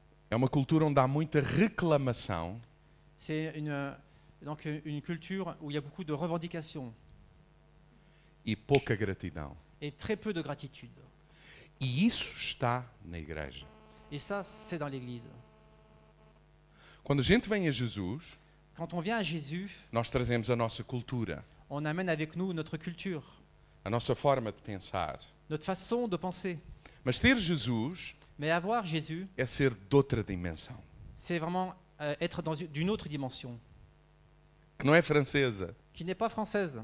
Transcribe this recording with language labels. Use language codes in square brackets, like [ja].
[pt] É uma cultura onde há muita reclamação. [fr] C'est une culture où il y a beaucoup de revendications. [pt] E pouca gratidão. [fr] Et très peu de gratitude. [pt] E isso está na igreja. [fr] Et ça c'est dans l'église. [pt] Quando a gente vem a Jesus, [fr] quand on vient à Jésus, [pt] nós trazemos a nossa cultura. [fr] on amène avec nous notre culture, [pt] a nossa forma de pensar, [fr] notre façon de penser. [pt] Mas ter Jesus, [fr] mais avoir Jésus, [pt] é ser d'outra dimensão. [fr] C'est vraiment être dans d'une autre dimension. [pt] Que não é francesa. [fr] Qui n'est pas française.